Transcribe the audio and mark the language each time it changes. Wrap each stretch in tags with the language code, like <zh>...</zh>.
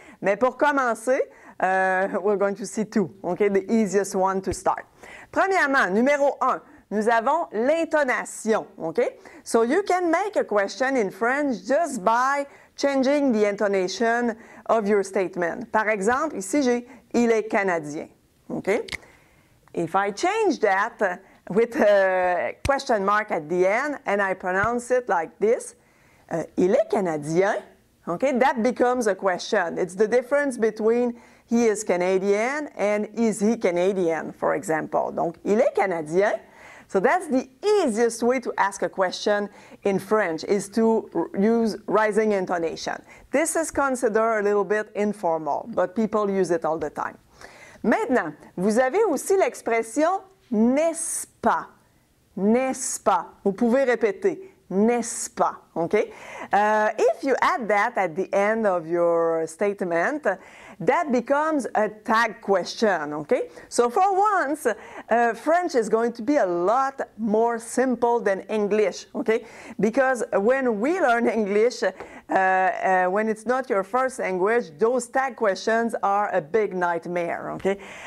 <en>Mais pour commencer, we're going to see two, OK? The easiest one to start. Premièrement, numéro un. Nous avons l'intonation, OK? So, you can make a question in French just by changing the intonation of your statement.</en> <fr>Par exemple, ici, j'ai « il est canadien », OK?</fr> <en>If I change that with a question mark at the end and I pronounce it like this, « il est canadien », OK? That becomes a question. It's the difference between « he is Canadian » and « is he Canadian », for example. Donc, « il est canadien », so that's the easiest way to ask a question in French, is to use rising intonation. This is considered a little bit informal, but people use it all the time.</en> <fr>Maintenant, vous avez aussi l'expression « n'est-ce pas ?»« N'est-ce pas ?» Vous pouvez répéter « n'est-ce pas ?» OK?</fr> <en>If you add that at the end of your statement, that becomes a tag question, okay? So, for once, French is going to be a lot more simple than English, okay? Because when we learn English, when it's not your first language, those tag questions are a big nightmare, okay?</en>